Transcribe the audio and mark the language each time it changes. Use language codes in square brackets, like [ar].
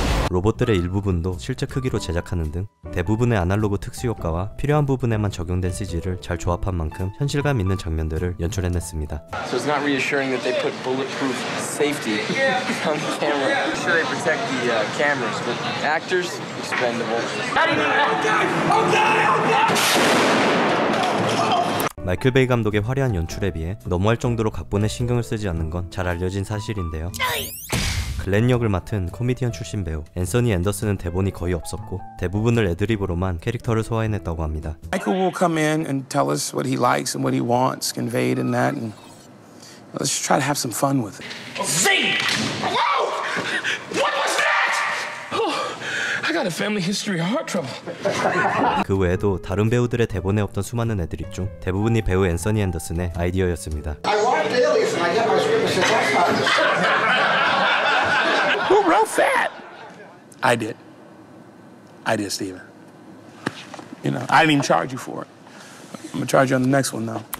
[ko] 로봇들의 일부분도 실제 크기로 제작하는 등 대부분의 아날로그 특수효과와 필요한 부분에만 적용된 CG를 잘 조합한 만큼 현실감 있는 장면들을 연출해냈습니다. [en] So it's not reassuring that they put bulletproof safety on the camera. Make sure they protect the cameras. But actors, expendable. Okay. [ko] 마이클 베이 감독의 화려한 연출에 비해 너무할 정도로 각본에 신경을 쓰지 않는 건 잘 알려진 사실인데요. 글렌 역을 맡은 코미디언 출신 배우 앤서니 앤더슨은 대본이 거의 없었고 대부분을 애드립으로만 캐릭터를 소화해냈다고 합니다. [en] Michael will come in and tell us what he likes and what he wants conveyed in that and let's just try to have some fun with it. Zing! Whoa! What was that? Oh, I got a family history of heart trouble. [ko] 그 외에도 다른 배우들의 대본에 없던 수많은 애드립 중 대부분이 배우 앤서니 앤더슨의 아이디어였습니다. [en] I want an alias and I get my script and say that's not it. Who wrote that? I did. I did, Steven. You know, I didn't even charge you for it. I'm gonna charge you on the next one now.